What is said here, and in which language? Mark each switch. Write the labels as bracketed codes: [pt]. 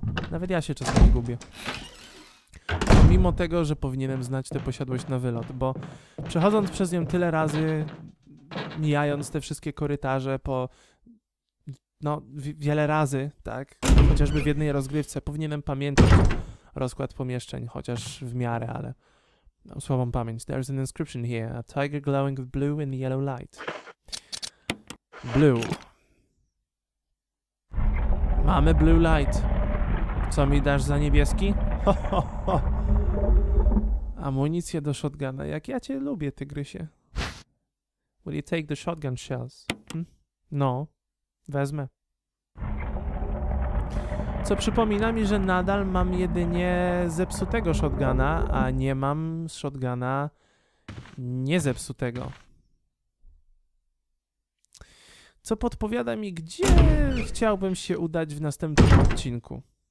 [pl] Nawet ja się czasami gubię. Mimo tego, że powinienem znać tę posiadłość na wylot, bo przechodząc przez nią tyle razy, mijając te wszystkie korytarze po... No, wiele razy, tak? Chociażby w jednej rozgrywce powinienem pamiętać rozkład pomieszczeń, chociaż w miarę, ale... No, słabą pamięć. [en] There's an inscription here. A tiger glowing with blue and yellow light. Blue. [pl] Mamy blue light. Co mi dasz za niebieski? Amunicję do shotguna. Jak ja cię lubię, tygrysie. [en] Will you take the shotgun shells? [pl] No. Wezmę. Co przypomina mi, że nadal mam jedynie zepsutego shotguna, a nie mam shotguna niezepsutego. Co podpowiada mi, gdzie chciałbym się udać w następnym odcinku.